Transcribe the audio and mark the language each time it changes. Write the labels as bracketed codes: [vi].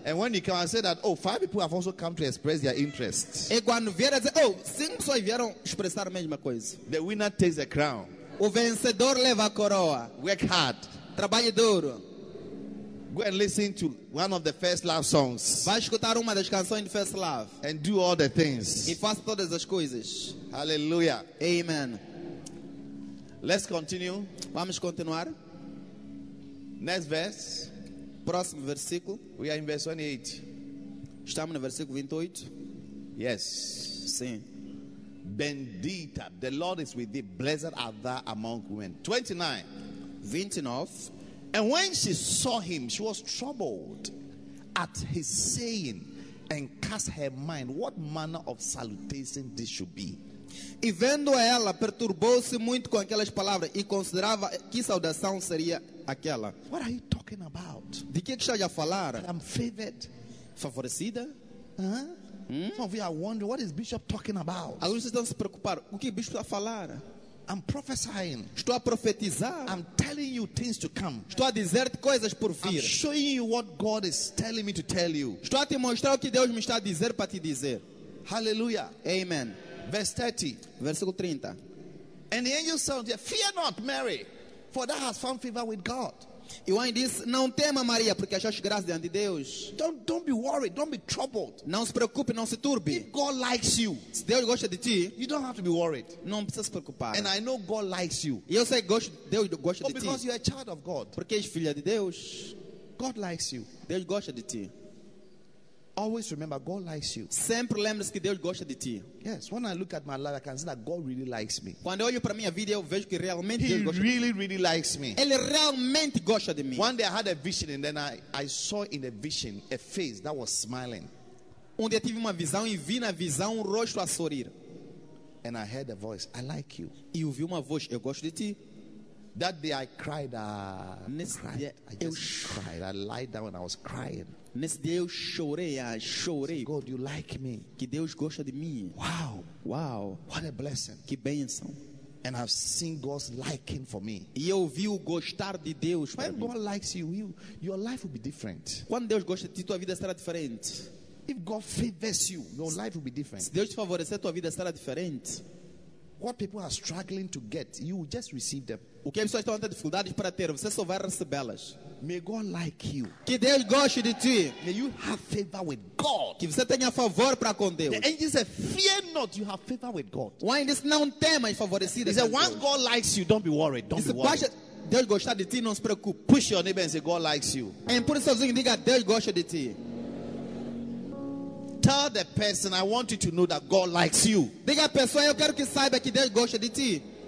[en] And when you come and say that, oh, five people have also come to express their interest. [pt] E quando vier, dizer, oh, cinco pessoas vieram expressar a mesma coisa. [en] The winner takes the crown. [pt] O vencedor leva a coroa. [en] Work hard. [pt] Trabalhe duro. [en] Go and listen to one of the first love songs. [pt] Vai escutar uma das canções de first love. [en] And do all the things. [pt] E faça todas as coisas. [en] Hallelujah. Amen. Let's continue. [pt] Vamos continuar. [en] Next verse. [pt] Próximo versículo. [en] We are in verse 28. [pt] Estamos no versículo 28. [en] Yes. [pt] Sim. Bendita. [en] The Lord is with thee. Blessed art thou among women. 29. And when she saw him, she was troubled at his saying and cast her mind what manner of salutation this should be. [pt] E vendo ela, perturbou-se muito com aquelas palavras e considerava que saudação seria aquela. [en] What are you talking about? [pt] De que está a falar? [en] I'm favored. [pt] Favorecida? [en] Some of you are wondering, what is Bishop talking about? [pt] Alguns estão se preocupar, o que o bispo está a falar? [en] I'm prophesying. [pt] Estou a profetizar. [en] I'm telling you things to come. [pt] Estou a dizer coisas por vir. [en] I'm showing you what God is telling me to tell you. [pt] Estou a te mostrar o que Deus me está a dizer para te dizer. [en] Hallelujah. Amen. Verse 30. And the angel said to her, "Fear not, Mary, for thou hast found favor with God." [pt] E o anjo disse, não tema Maria, porque achaste graça diante de Deus. [en] Don't be worried, don't be troubled. [pt] Não se preocupe, não se turbe. [en] If God likes you, [pt] se Deus gosta de ti, [en] you don't have to be worried. [pt] Não precisa se preocupar. [en] And I know God likes you. [pt] E eu sei que Deus gosta de ti. [en] Because you are a child of God. [pt] Porque és filha de Deus. [en] God likes you. [pt] Deus gosta de ti. [en] Always remember, God likes you. [pt] Sempre lembre-se que Deus gosta de ti. [en] Yes, when I look at my life, I can see that God really likes me. [pt] Quando eu olho para minha vida, eu vejo que realmente [en] He [pt] Deus gosta [en] really, [pt] de mim. [en] Really likes me. [pt] Ele realmente gosta de mim. [en] One day I had a vision, and then I saw in a vision a face that was smiling. [pt] Um dia tive uma visão e vi na visão um rosto a sorrir. [en] And I heard a voice, I like you. [pt] E ouvi uma voz, eu gosto de ti. [en] That day I cried. I just cried. I lied down and I was crying. [pt] Nesse dia eu chorei. [en] So God, you like me. [pt] Que Deus gosta de mim. [en] Wow. What a blessing. [pt] Que bênção. [en] And I've seen God's liking for me. [pt] E eu vi o gostar de Deus para mim. [en] When God likes you, your life will be different. [pt] Quando Deus gosta de ti, tua vida será diferente. [en] If God favors you, your life will be different. [pt] Se Deus te favorecer, tua vida será diferente. [en] What people are struggling to get, you will just receive them. [pt] O que as pessoas estão tendo dificuldades para ter, você só vai recebê-las. [en] May God like you. [pt] Que Deus goste de ti. [en] May you have favor with God. [pt] Que você tenha favor para com Deus. [en] The angel said, "Fear not, you have favor with God." Why is [pt] não tema favorecida? [en] He said, "Once God likes you, don't be worried. Don't be worried." [pt] Deus gosta de ti, não se preocupe. [en] Push your neighbor and say, "God likes you." And put something [pt] diga, Deus gosta de ti. [en] Tell the person, "I want you to know that God likes you." [pt] Diga a pessoa, eu quero que saiba que Deus gosta de ti.